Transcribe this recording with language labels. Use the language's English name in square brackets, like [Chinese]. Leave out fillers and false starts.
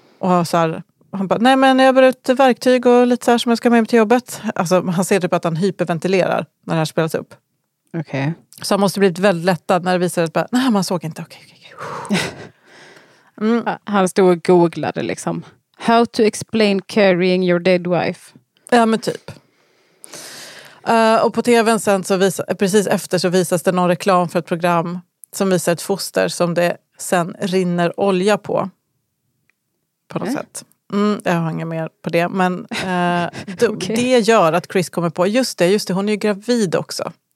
[Swedish] Och såhär, han bara, nej men jag bär ut verktyg och lite såhär som jag ska med mig till jobbet. Alltså han ser typ att han hyperventilerar när det här spelas upp. [English] Okay. [Swedish] Så han måste bli väldigt lättad när det visar att nej man såg inte. [English] Okay. Mm. [Swedish] Han stod och googlade liksom. [English] How to explain carrying your dead wife. [Swedish] Ja men typ. Och på tvn sen så precis efter så visas det någon reklam för ett program som visar ett foster som det sen rinner olja på. På något sätt. Mm, jag hänger mer på det. Men okay. Det gör att Chris kommer på, just det, hon är ju gravid också.